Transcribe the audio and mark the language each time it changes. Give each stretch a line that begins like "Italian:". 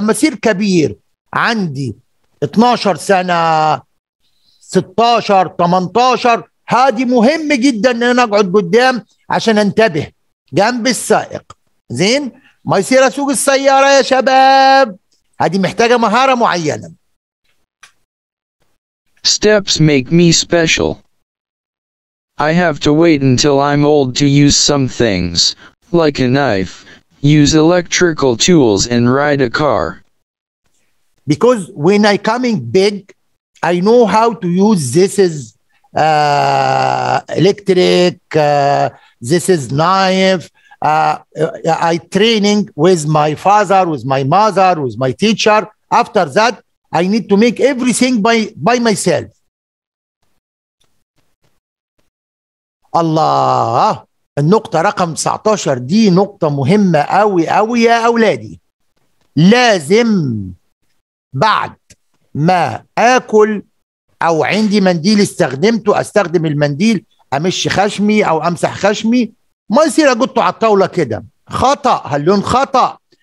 Arabic: لما يصير كبير عندي 12 سنة 16 18 هذه مهم جدا ان انا اقعد قدام عشان انتبه جنب السائق زين. ما يصير اسوق السيارة يا شباب هذه محتاجة مهارة معينة.
English: Steps make me special. I have to wait until I'm old to use some things, like a knife, use electrical tools and ride a car. Because when I coming big, I know how to use this is electric, this is knife. I training with my father, with my mother, with my teacher. After that, I need to make everything by myself.
Arabic: الله، النقطة رقم 19 دي نقطة مهمة قوي قوي يا أولادي. لازم بعد ما آكل أو عندي منديل استخدمته أستخدم المنديل أمشي خشمي أو أمسح خشمي، ما يصير أجطه على الطاولة كده خطأ، هاللون خطأ.